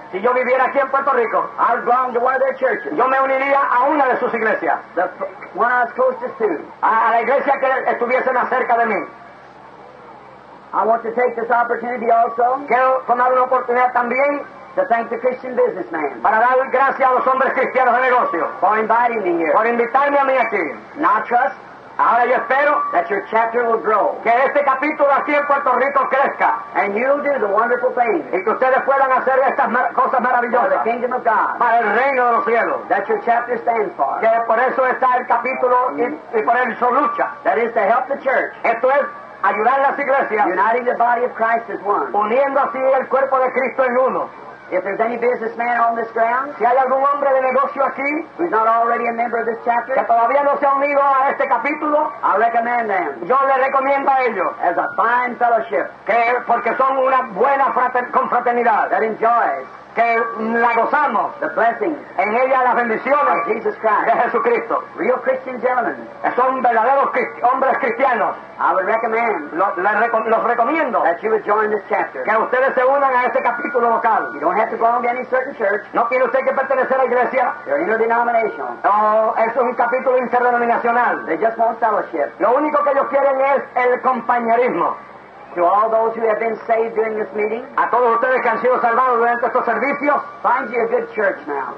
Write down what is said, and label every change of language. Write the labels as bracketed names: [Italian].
[Spanish] Si yo viviera aquí en Puerto Rico. [English] I'd belong to one of their churches. [Spanish] Yo me uniría a una de sus iglesias. [English] One I was closest to. [Spanish] A la iglesia que estuviese más cerca de mí. [English] I want to take this opportunity also. [Spanish] Quiero tomar una oportunidad también. [English] To thank the Christian businessman. [Spanish] Para dar gracias a los hombres cristianos de negocio. [English] For inviting me here. [Spanish] Por invitarme a mí aquí. [English] Now trust. [Spanish] Ahora yo espero [English] that your chapter will grow. [Spanish] Que este capítulo aquí en Puerto Rico crezca. [English] And you'll do the wonderful things. [Spanish] Y que ustedes puedan hacer estas cosas maravillosas. [English] For the kingdom of God. [Spanish] Para el reino de los cielos. [English] That your chapter stands for. [Spanish] Que por eso está el capítulo y por eso lucha. [English] That is to help the church. [Spanish] Esto es ayudar a las iglesias. [English] Uniting the body of Christ as one. [Spanish] Uniendo así el cuerpo de Cristo en uno. [English] If there's any businessman on this ground, [Spanish] si hay algún hombre de negocio aquí, [English] who's not already a member of this chapter, [Spanish] que todavía no se ha unido a este capítulo, [English] I recommend them. [Spanish] Yo le recomiendo a ellos, [English] as a fine fellowship, [Spanish] que porque son una buena confraternidad, [English] that enjoys, [Spanish] que la gozamos, [English] the blessings, [Spanish] en ella las bendiciones, [English] of Jesus Christ, [Spanish] de Jesucristo, [English] real Christian gentlemen, [Spanish] son verdaderos hombres cristianos. [English] I would recommend, [Spanish] los recomiendo, [English] that you would join this chapter. [Spanish] Que ustedes se unan a este capítulo local. [English] You don't have to belong to any certain church. [Spanish] No tiene usted que pertenecer a la iglesia. [English] They're interdenominational. [Spanish] No, eso es un capítulo interdenominacional. [English] They just want fellowship. [Spanish] Lo único que ellos quieren es el compañerismo. [English] To all those who have been saved during this meeting, [Spanish] a todos ustedes que han sido salvados durante estos servicios, [English] find you a good church now.